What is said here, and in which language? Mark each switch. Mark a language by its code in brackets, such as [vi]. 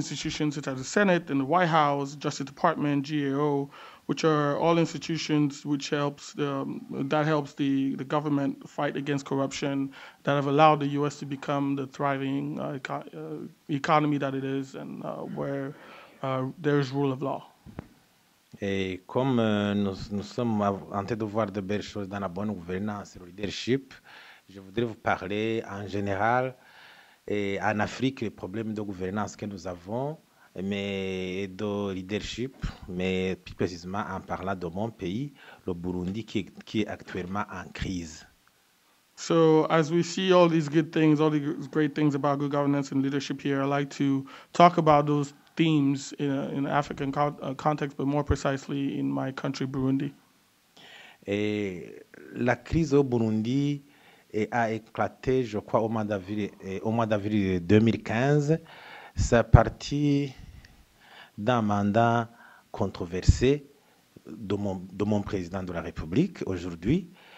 [en] institutions such as the Senate and the White House, Justice Department, GAO, which are all institutions which helps the government fight against corruption, that have allowed the U.S. to become the thriving economy that it is, and where there is rule of law. [fr] Et comme nous sommes en train de voir de belles choses dans la bonne gouvernance et le leadership, je voudrais vous parler en général et en Afrique, les problèmes de gouvernance que nous avons et de leadership, mais plus précisément en parlant de mon pays, le Burundi, qui est actuellement en crise. [en] So as we see all these good things, all these great things about good governance and leadership here, I'd like to talk about those themes in an African context, but more precisely in my country, Burundi. [fr] Et la crise au Burundi a éclaté, je crois, au mois d'avril 2015. C'est parti d'un mandat controversé de mon président de la République aujourd'hui.